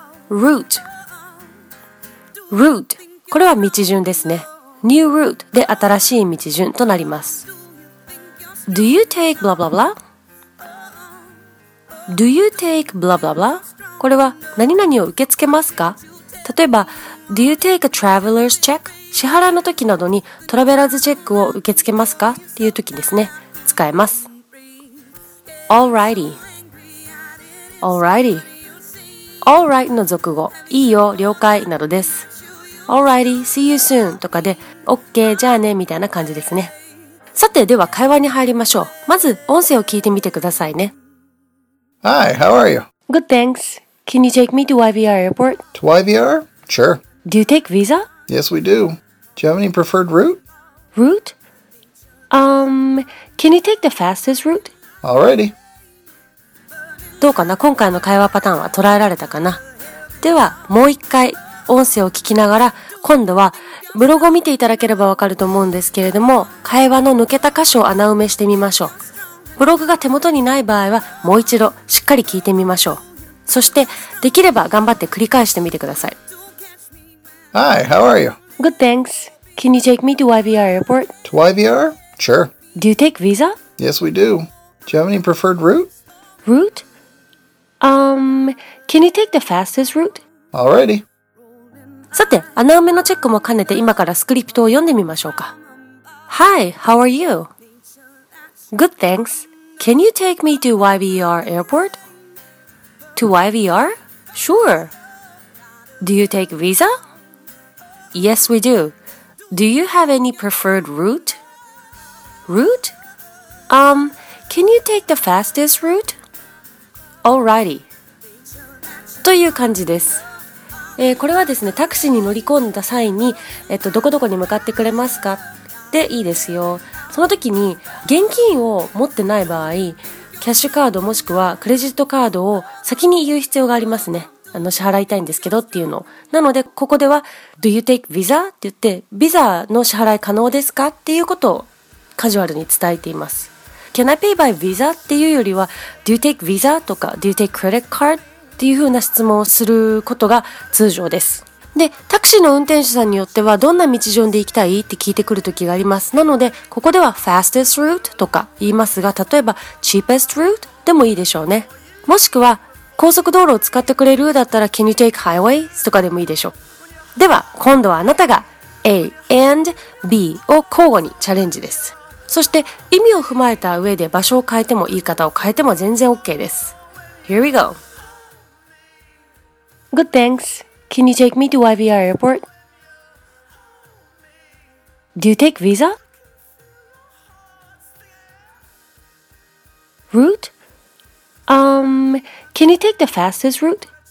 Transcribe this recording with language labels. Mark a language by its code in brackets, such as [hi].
[en] route route [ja] これは道順ですね。 [en] New route [ja] で新しい道順となります。 [en] Do you take blah blah blah? Do you take blah blah blah? [ja] これは何々を受け付けますか？例えば、 [en] Do you take a traveler's check? [ja] 支払いの時などにトラベラーズチェックを受け付けますか？っていう時ですね。使えます。 [en] Alrighty. Alrighty. [ja] Alright の俗語。いいよ、了解などです。 [en] Alrighty, see you soon [ja] とかで OK じゃあねみたいな感じですね。さてでは会話に入りましょう。まず音声を聞いてみてくださいね。 [en] Hi, how are you? Good, thanks. Can you take me to YVR airport? To YVR? Sure. Do you take visa? Yes, we do. Do you have any preferred route? Route? Can you take the fastest route? Alrighty. [ja] どうかな、今回の会話パターンは捉えられたかな。ではもう一回音声を聞きながら、今度はブログを見ていただければわかると思うんですけれども、会話の抜けた箇所を穴埋めしてみましょう。ブログが手元にない場合はもう一度しっかり聞いてみましょう。そしてできれば頑張って繰り返してみてください。 [en] Hi, how are you? Good, thanks. Can you take me to YVR airport? To YVR? Sure. Do you take visa? Yes, we do. Do you have any preferred route? Route? Can you take the fastest route? Alrighty. [ja] さて、穴埋めのチェックも兼ねて今からスクリプトを読んでみましょうか。 [en] Hi, how are you? Good, thanks. Can you take me to YVR airport? To YVR? Sure. Do you take visa? Yes, we do. Do you have any preferred route? Route? Can you take the fastest route? Alrighty. [ja] という感じです。これはですね、タクシーに乗り込んだ際に、どこどこに向かってくれますかでいいですよ。その時に現金を持ってない場合、キャッシュカードもしくはクレジットカードを先に言う必要がありますね。支払いたいんですけどっていうの。なのでここでは [en] Do you take visa? [ja] って言って、ビザの支払い可能ですかっていうことをカジュアルに伝えています。 [en] Can I pay by visa? [ja] っていうよりは [en] Do you take visa? [ja] とか [en] Do you take credit card? [ja] っていう風な質問をすることが通常です。で、タクシーの運転手さんによってはどんな道順で行きたいって聞いてくる時があります。なのでここでは [en] fastest route [ja] とか言いますが、例えば [en] cheapest route [ja] でもいいでしょうね。もしくは高速道路を使ってくれるだったら [en] can you take highway [ja] とかでもいいでしょう。では今度はあなたが A and B を交互にチャレンジです。そして意味を踏まえた上で場所を変えても言い方を変えても全然 OK です。 [en] Here we goGood, thanks. Can you take me to YVR airport? Do you take visa? Route? Can you take the fastest route?